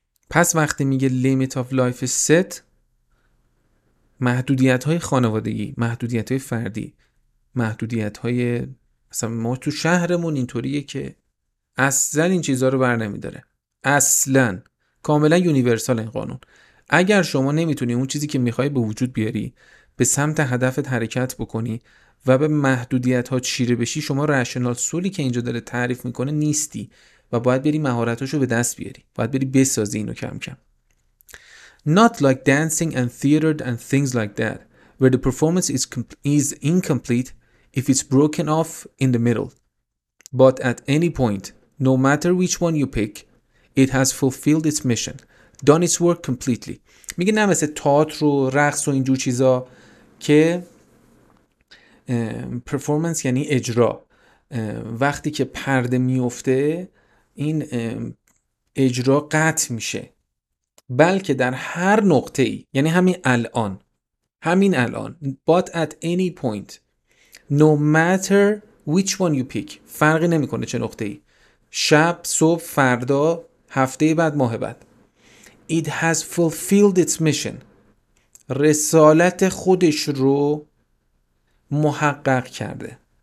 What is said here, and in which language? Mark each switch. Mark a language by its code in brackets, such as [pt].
[fa] پس وقتی میگه [en] limit of life is set، [fa] محدودیت های خانوادگی، محدودیت های فردی، محدودیت های مثلا ما تو شهرمون اینطوریه که اصلا این چیزها رو بر نمیداره، اصلا کاملا یونیورسال این قانون. اگر شما نمیتونی اون چیزی که میخوای به وجود بیاری، به سمت هدفت حرکت بکنی و به محدودیت ها چیره بشی، شما رشنال سولی که اینجا داره تعریف میکنه نیستی و باید بری مهارتاشو به دست بیاری، باید بری بسازی اینو کم کم. [en] Not like dancing and theater and things like that, where the performance is incomplete if it's broken off in the middle. But at any point, no matter which one you pick, it has fulfilled its mission, done its work completely. [fa] میگه نه مثل تئاتر و رقص و اینجور چیزا که پرفورمنس یعنی اجرا، وقتی که پرده میفته این اجرا قطع میشه، بلکه در هر نقطه ای، یعنی همین الان، همین الان، [en] but at any point no matter which one you pick، [fa] فرقی نمیکنه چه نقطه ای، شب، صبح، فردا، هفته بعد، ماه بعد، [en] it has fulfilled its mission، [fa] رسالت خودش رو محقق کرده.